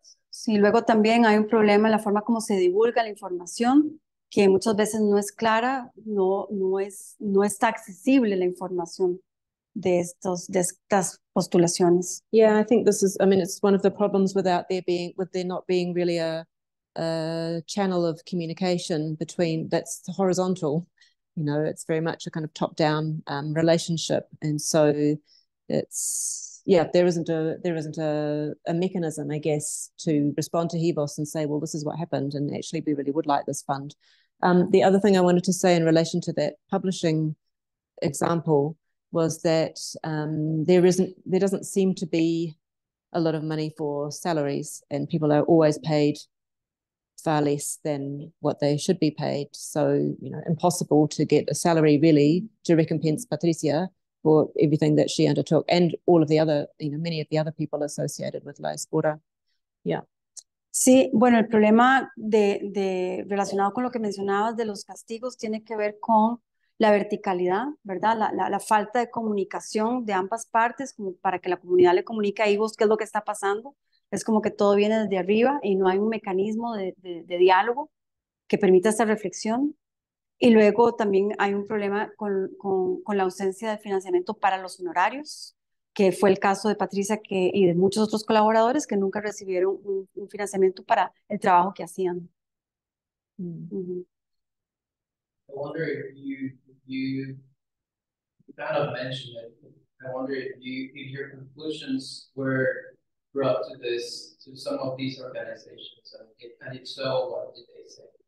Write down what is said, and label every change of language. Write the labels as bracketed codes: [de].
[es] Sí, luego también hay un problema en la forma como se divulga la información, que muchas veces no es clara, no está accesible la información de estas postulaciones. [en] Yeah, I think this is, I mean, it's one of the problems with there not being really a channel of communication between, that's horizontal, you know, it's very much a kind of top-down relationship, and so it's, yeah, there isn't a mechanism, I guess, to respond to HEVOS and say, well, this is what happened, and actually we really would like this fund. The other thing I wanted to say in relation to that publishing example was that there doesn't seem to be a lot of money for salaries, and people are always paid far less than what they should be paid. So, you know, impossible to get a salary really to recompense Patricia for everything that she undertook, and all of the other, you know, many of the other people associated with La Espora. Yeah. [es] Sí, bueno, el problema relacionado con lo que mencionabas de los castigos tiene que ver con la verticalidad, ¿verdad? La falta de comunicación de ambas partes, como para que la comunidad le comunique a vos qué es lo que está pasando. Es como que todo viene desde arriba y no hay un mecanismo de diálogo que permita esta reflexión. Y luego también hay un problema con la ausencia de financiamiento para los honorarios, que fue el caso de Patricia y de muchos otros colaboradores que nunca recibieron un financiamiento para el trabajo que hacían. [en] I wonder if you kind of mentioned it. I wonder if your conclusions were brought to this, to some of these organizations, and if so, what did they say?